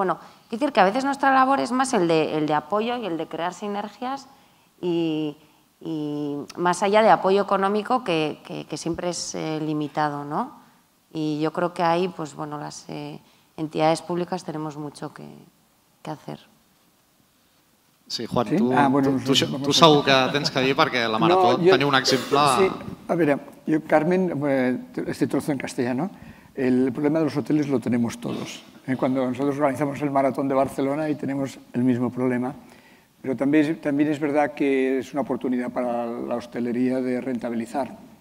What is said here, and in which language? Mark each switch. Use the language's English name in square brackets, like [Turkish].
[Spanish] Bueno, quiero decir que a veces nuestra labor es más el de apoyo y el de crear sinergias y más allá de apoyo económico que siempre es limitado, ¿no? Y yo creo que ahí, pues bueno, las entidades públicas tenemos mucho que hacer. Sí, Juan, sí? [Catalan] Tu segur que tens que dir, perquè la Marató teniu un exemple... Sí, a veure, jo, [Spanish] Carmen, este trozo en castellano, el problema de los hoteles lo tenemos todos. Cuando nosotros organizamos el Maratón de Barcelona y tenemos el mismo problema. Pero también es verdad que es una oportunidad para la hostelería de rentabilizar.